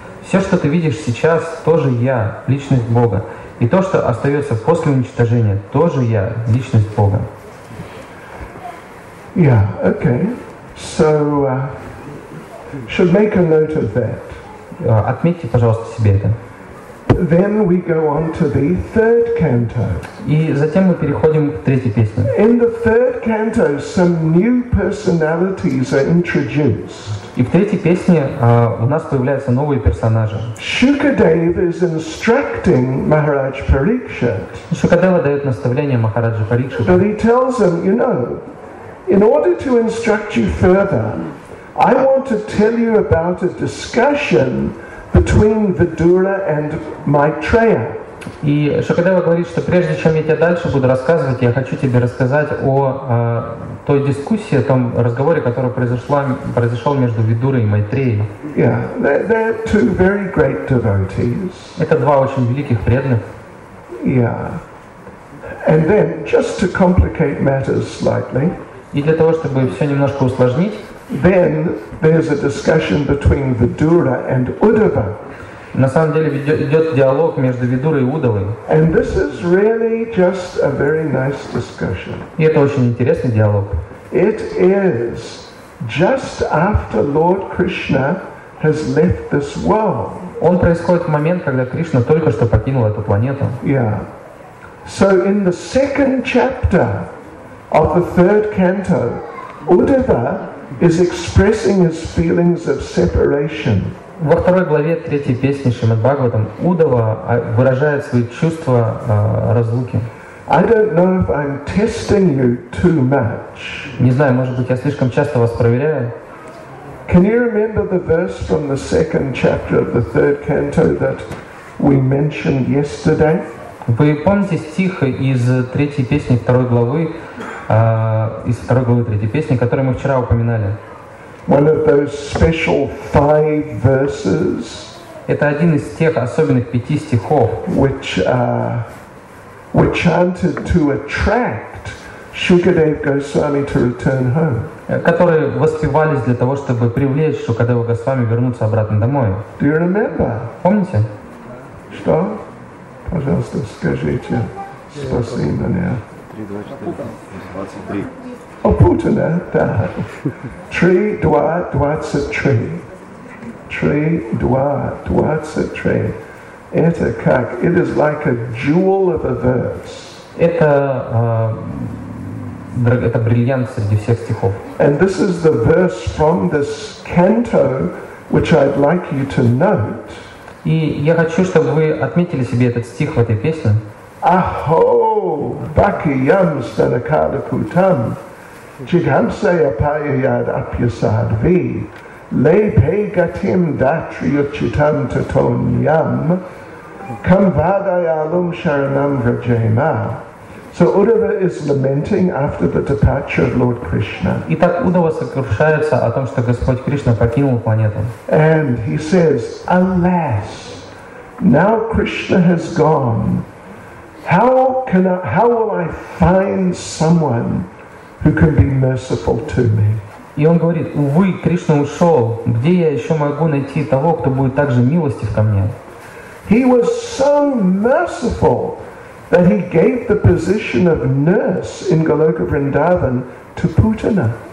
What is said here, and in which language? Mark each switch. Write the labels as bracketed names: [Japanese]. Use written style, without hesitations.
[Russian] Все, что ты видишь сейчас, тоже я, личность Бога. И то, что остается после уничтожения, тоже я, личность Бога. [English] Yeah, okay. So, should make a note of that. [Russian] Отметьте, пожалуйста, себе это. [English] Then we go on to the third canto. [Russian] И затем мы переходим к третьей песне. [English] In the third canto, some new personalities are introduced. [Russian] И в третьей песне у нас появляются новые персонажи. [English] Shukadeva is instructing Maharaj Parikshit. [Russian] Шукадева дает наставление Махараджу Парикшиту. [English] But he tells him, you know, in order to instruct you further, I want to tell you about a discussion between Vidura and Maitreya. [Russian] И Шукадева говорит, что прежде чем я тебе дальше буду рассказывать, я хочу тебе рассказать о той дискуссии, о том разговоре, который произошел между Видурой и Майтреей. [English] Yeah, they're two very great devotees. [Russian] Это два очень великих преданных. [English] Yeah. And then, just to complicate matters slightly. [Russian] И для того, чтобы все немножко усложнить. [English] Then there's a discussion between Vidura and Uddhava. [Russian] На самом деле идет диалог между Видурой и Удавой. [English] And this is really just a very nice discussion. [Russian] И это очень интересный диалог. [English] It is just after Lord Krishna has left this world. [Russian] Он происходит в момент, когда Кришна только что покинул эту планету. [English] Yeah. So in the second chapter of the third canto, Uddhava is expressing his feelings of separation. [Russian] Во второй главе третьей песни Шримад-Бхагаватам Удава выражает свои чувства разлуки. [English] I don't know if I'm testing you too much. [Russian] Не знаю, может быть, я слишком часто вас проверяю. [English] Can you remember the verse from the second chapter of the third canto that we mentioned yesterday? [Russian] Вы помните стих из третьей песни второй главы? Из второй главы третьей песни, которую мы вчера упоминали. [English] One of those special five verses. [Russian] Это один из тех особенных пяти стихов, [English] which were chanted to attract Shukadev Goswami to return home. [Russian] Которые воспевались для того, чтобы привлечь Шукадева Госвами вернуться обратно домой. [English] Do you remember? [Russian] Помните? Что? Пожалуйста, скажите. Спаси меня. 3, 2, 4, 23. Опутана, да. 3, 2, 23. 3, 2, 23. Это как? [English] It is like a jewel of a verse. [Russian] Это это бриллиант среди всех стихов. [English] And this is the verse from this canto, which I'd like you to note. [Russian] И я хочу, чтобы вы отметили себе этот стих в этой песне. [Sanskrit] Aho, bakiyam stanakadakutam, jigamseyapayad apyasadvi, lepegatim datriyuchitam tatonyam, kamvadayalum sharanam vrajema. [English] So Uddhava is lamenting after the departure of Lord Krishna. [Russian] Итак, Удава сокрушается о том, что Господь Кришна покинул планету. [English] And he says, "Alas, now Krishna has gone. How will I find someone who can be merciful to me?" [Russian] И он говорит: "Увы, Кришна ушел. Где я еще могу найти того, кто будет также милостив ко мне?" [English] He was so merciful that he gave the position of nurse in Goloka Vrindavan to Putana.